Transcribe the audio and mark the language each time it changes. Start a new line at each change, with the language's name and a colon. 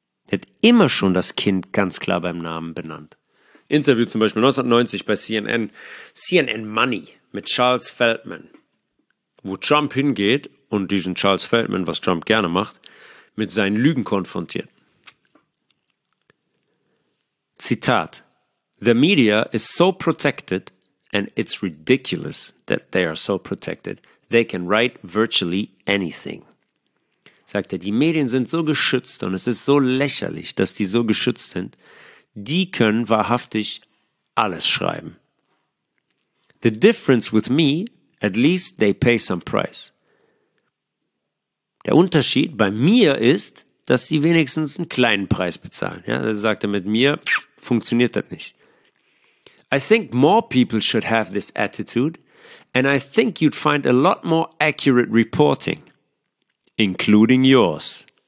German: Der hat immer schon das Kind ganz klar beim Namen benannt. Interview zum Beispiel 1990 bei CNN, CNN Money mit Charles Feldman, wo Trump hingeht und diesen Charles Feldman, was Trump gerne macht, mit seinen Lügen konfrontiert.
English: Zitat: The media is so protected, and it's ridiculous that they are so protected. They can write virtually anything.
German: Sagt er, die Medien sind so geschützt und es ist so lächerlich, dass die so geschützt sind. Die können wahrhaftig alles schreiben.
English: The difference with me, at least they pay some price.
German: Der Unterschied bei mir ist, dass sie wenigstens einen kleinen Preis bezahlen. Ja, er sagt, mit mir funktioniert das nicht.
English: I think more people should have this attitude, and I think you'd find a lot more accurate reporting, including yours.